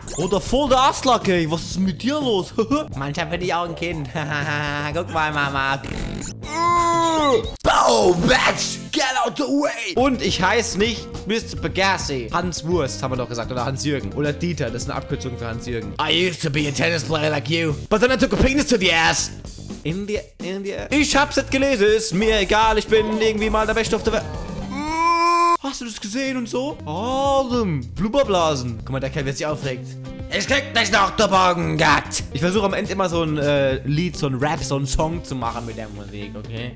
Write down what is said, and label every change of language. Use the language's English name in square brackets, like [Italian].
[German] Oder voll der Arschlacke, ey. Was ist mit dir los? Manchmal bin ich auch ein Kind. Guck mal, Mama. [English] Bow, bitch! Get out the way! [German] Und ich heiße nicht Mr. Bagassi. Hans Wurst, haben wir doch gesagt. Oder Hans Jürgen. Oder Dieter, das ist eine Abkürzung für Hans Jürgen. [English] I used to be a tennis player like you. But then I took a penis to the ass. India. [German] Ich hab's jetzt gelesen, ist mir egal. Ich bin irgendwie mal der Beste auf der Welt. Hast du das gesehen und so? Adam, Blubberblasen. Guck mal, der Kerl wird sich aufregt. Ich krieg dich noch, du Bogengott. Ich versuche am Ende immer so ein Lied, so ein Rap, so ein Song zu machen mit der Musik, okay?